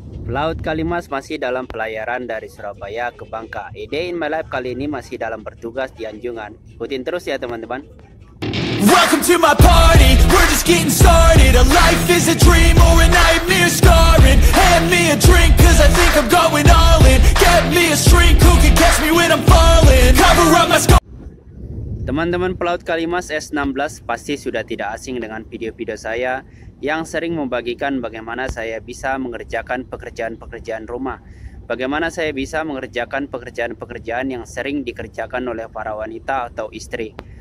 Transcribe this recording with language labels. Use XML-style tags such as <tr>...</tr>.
<id>Laut Kalimas masih dalam pelayaran dari Surabaya ke Bangka. A Day in My Life kali ini masih dalam bertugas di anjungan. Ikutin terus ya teman-teman.</id> <en>Welcome to my party, we're just getting started. A life is a dream or a nightmare scarring. Hand me a drink cause I think I'm going all in. Get me a shrink who can catch me when I'm falling. Cover up my scar.</en> <id>Teman-teman pelaut Kalimas S16 pasti sudah tidak asing dengan video-video saya yang sering membagikan bagaimana saya bisa mengerjakan pekerjaan-pekerjaan rumah. Bagaimana saya bisa mengerjakan pekerjaan-pekerjaan yang sering dikerjakan oleh para wanita atau istri.</id>